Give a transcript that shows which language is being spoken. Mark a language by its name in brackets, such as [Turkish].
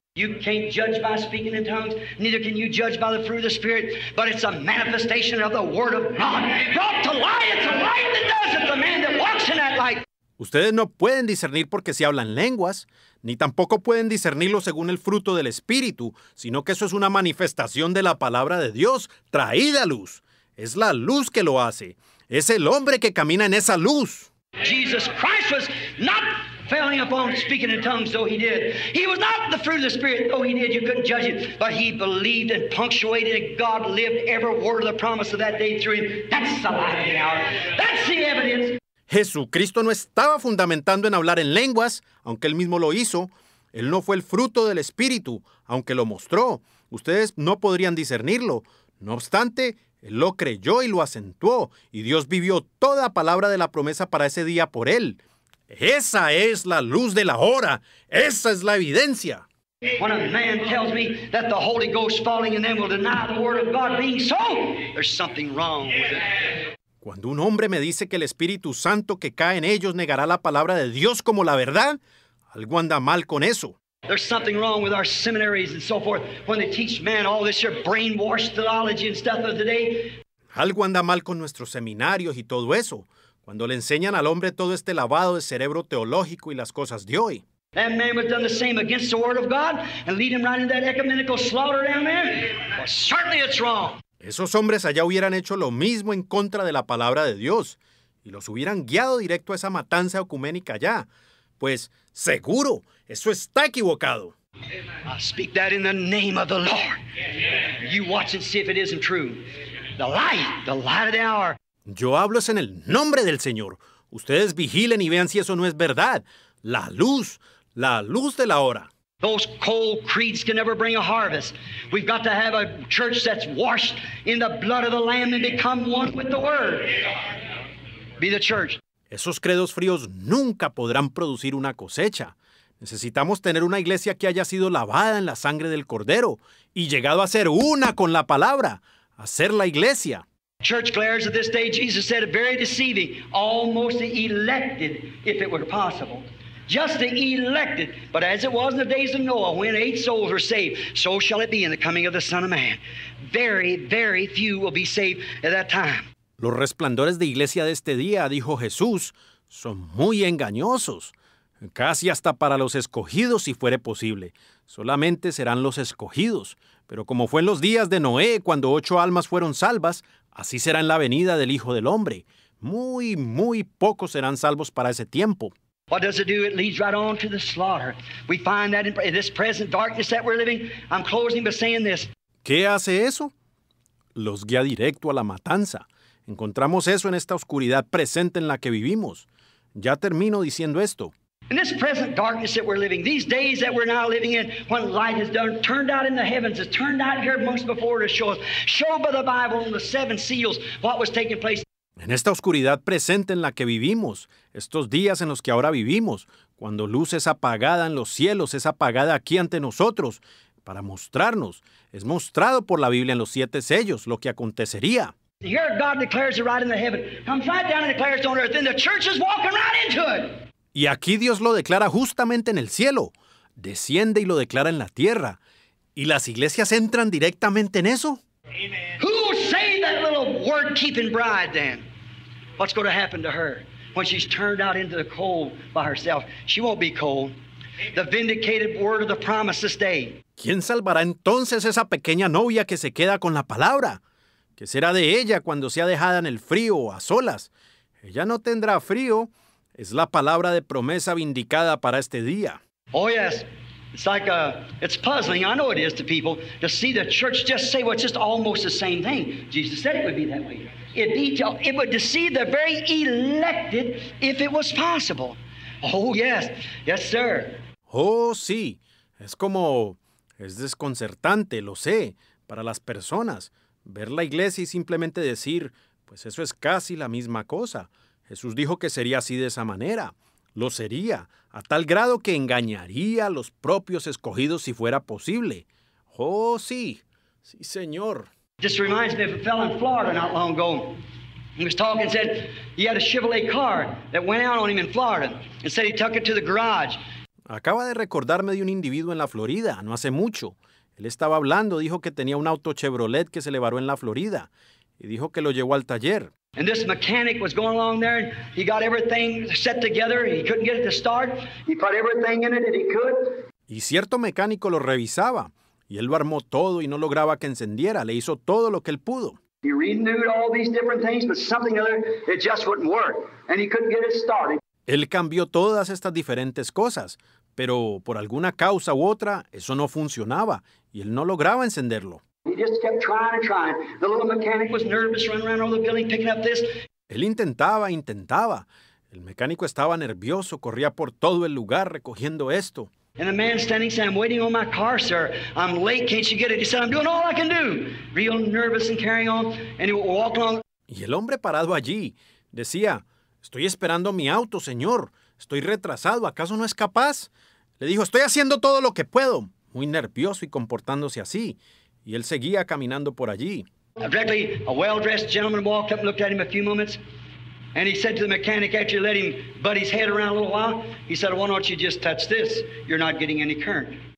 [English] You can't judge by speaking in tongues, neither can you judge by the fruit of the Spirit, but it's a manifestation of the Word of God. Brought to light, it's a light that does it, the man that walks in that light. [Spanish] Ustedes no pueden discernir porque si hablan lenguas, ni tampoco pueden discernirlo según el fruto del Espíritu, sino que eso es una manifestación de la palabra de Dios, traída a luz. Es la luz que lo hace. Es el hombre que camina en esa luz. [English] Jesus Christ was not failing upon speaking in tongues, though he did. He was not the fruit of the Spirit, though he did. You couldn't judge it. But he believed and punctuated and God lived every word of the promise of that day through him. That's the light of the hour. That's the evidence. [Spanish] Jesucristo no estaba fundamentando en hablar en lenguas, aunque él mismo lo hizo. Él no fue el fruto del Espíritu, aunque lo mostró. Ustedes no podrían discernirlo. No obstante, él lo creyó y lo acentuó, y Dios vivió toda palabra de la promesa para ese día por él. Esa es la luz de la hora. Esa es la evidencia. [English] When a man tells me that the Holy Ghost falling in them will deny the word of God being so, there's something wrong with it. [Spanish] Cuando un hombre me dice que el Espíritu Santo que cae en ellos negará la palabra de Dios como la verdad, algo anda mal con eso. [English] There's something wrong with our seminaries and so forth when they teach man all this your brainwashed theology and stuff of today. [Spanish] Algo anda mal con nuestros seminarios y todo eso, cuando le enseñan al hombre todo este lavado de cerebro teológico y las cosas de hoy. [English] That man would have done the same against the word of God and lead him right into that ecumenical slaughter down there. Well, certainly it's wrong. [Spanish] Esos hombres allá hubieran hecho lo mismo en contra de la palabra de Dios y los hubieran guiado directo a esa matanza ecuménica allá. Pues, seguro, eso está equivocado. [English] I speak that in the name of the Lord. You watch and see if it isn't true. The light of the hour. [Spanish] Yo hablo es en el nombre del Señor. Ustedes vigilen y vean si eso no es verdad. La luz de la hora. [English] Those cold creeds can never bring a harvest. We've got to have a church that's washed in the blood of the Lamb and become one with the Word. Be the church. [Spanish] Esos credos fríos nunca podrán producir una cosecha. Necesitamos tener una iglesia que haya sido lavada en la sangre del Cordero y llegado a ser una con la palabra, a ser la iglesia. [English] Church clerics of this day, Jesus said, very deceiving, almost the elected, if it were possible. Just the elected, but as it was in the days of Noah, when 8 souls were saved, so shall it be in the coming of the Son of Man. Very, very few will be saved at that time. [Spanish] Los resplandores de iglesia de este día, dijo Jesús, son muy engañosos. Casi hasta para los escogidos, si fuere posible. Solamente serán los escogidos. Pero como fue en los días de Noé, cuando 8 almas fueron salvas, así será en la venida del Hijo del Hombre. Muy, muy pocos serán salvos para ese tiempo. [English] What does it do? It leads right on to the slaughter. We find that in this present darkness that we're living, I'm closing by saying this. [Spanish] ¿Qué hace eso? Los guía directo a la matanza. Encontramos eso en esta oscuridad presente en la que vivimos. Ya termino diciendo esto. [English] In this present darkness that we're living, these days that we're now living in, when light has done, turned out in the heavens, has turned out here amongst before to show us, show by the Bible and the 7 seals what was taking place. [Spanish] En esta oscuridad presente en la que vivimos, estos días en los que ahora vivimos, cuando luz es apagada en los cielos, es apagada aquí ante nosotros, para mostrarnos, es mostrado por la Biblia en los 7 sellos lo que acontecería. [English] Here God declares it right in the heaven. Come flat down and declares it on earth. Then the church is walking right into it. [Spanish] Y aquí Dios lo declara justamente en el cielo. Desciende y lo declara en la tierra. ¿Y las iglesias entran directamente en eso? [English] Amen. Who saved that little word-keeping bride then? What's going to happen to her when she's turned out into the cold by herself? She won't be cold. The vindicated word of the promise this day. [Spanish] ¿Quién salvará entonces esa pequeña novia que se queda con la palabra? ¿Qué será de ella cuando sea dejada en el frío o a solas? Ella no tendrá frío. Es la palabra de promesa vindicada para este día. [English] Oh, yes. It's like it's puzzling. I know it is to people to see the church just say what's just almost the same thing. Jesus said it would be that way. It would deceive the very elected if it was possible. Oh, yes. Yes, sir. [Spanish] Oh, sí. Es desconcertante, lo sé, para las personas. Ver la iglesia y simplemente decir, pues eso es casi la misma cosa. Jesús dijo que sería así de esa manera. Lo sería, a tal grado que engañaría a los propios escogidos si fuera posible. Oh, sí. Sí, señor. [English] Just reminds me of a fellow in Florida not long ago. He was talking and said he had a Chevrolet car that went out on him in Florida and said he took it to the garage. [Spanish] Acaba de recordarme de un individuo en la Florida, no hace mucho. Él estaba hablando, dijo que tenía un auto Chevrolet que se le varó en la Florida y dijo que lo llevó al taller. [English] And this mechanic was going along there and he got everything set together. He couldn't get it to start. He put everything in it that he could. [Spanish] Y cierto mecánico lo revisaba y él lo armó todo y no lograba que encendiera. Le hizo todo lo que él pudo. [English] He renewed all these different things, but something other, it just wouldn't work. And he couldn't get it started. [Spanish] Él cambió todas estas diferentes cosas, pero por alguna causa u otra, eso no funcionaba, y él no lograba encenderlo. [English] He just kept trying and trying. The little mechanic was nervous, running around all the building, picking up this. [Spanish] Él intentaba, intentaba. El mecánico estaba nervioso, corría por todo el lugar recogiendo esto. [English] And the man standing said, I'm waiting on my car, sir. I'm late, can't you get it? He said, I'm doing all I can do. Real nervous and carrying on. And he would walk along. [Spanish] Y el hombre parado allí decía, estoy esperando mi auto, señor. Estoy retrasado. ¿Acaso no es capaz? Le dijo, estoy haciendo todo lo que puedo. Muy nervioso y comportándose así. Y él seguía caminando por allí. [English] Directly, a well-dressed gentleman walked up and looked at him a few moments. And he said to the mechanic, after you let him butt his head around a little while, he said, why don't you just touch this? You're not getting any current.